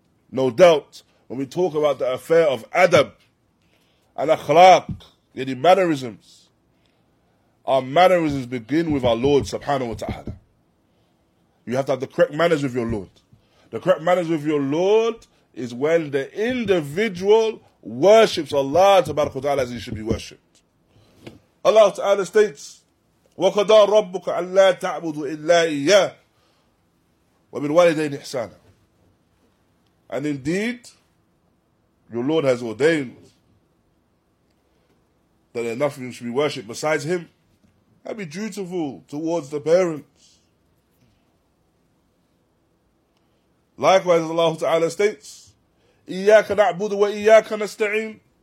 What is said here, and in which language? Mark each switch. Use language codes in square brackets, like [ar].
[en] No doubt, when we talk about the affair of adab and akhlaq, the mannerisms, our mannerisms begin with our Lord subhanahu wa ta'ala. You have to have the correct manners with your Lord. The correct manners with your Lord is when the individual worships Allah tabaraka wa ta'ala as he should be worshipped. Allah ta'ala states, [ar] وَقَدَى رَبُّكَ أَلَّا تَعْبُدُ إِلَّا إِيَّا وَبِالْوَالِدَيْنِ إِحْسَانًا. [en] And indeed, your Lord has ordained that nothing should be worshipped besides him. And be dutiful towards the parents. Likewise, Allah Ta'ala states, [ar] إِيَّاكَ نَعْبُدُ وَإِيَّاكَ نَسْتَعِينَ.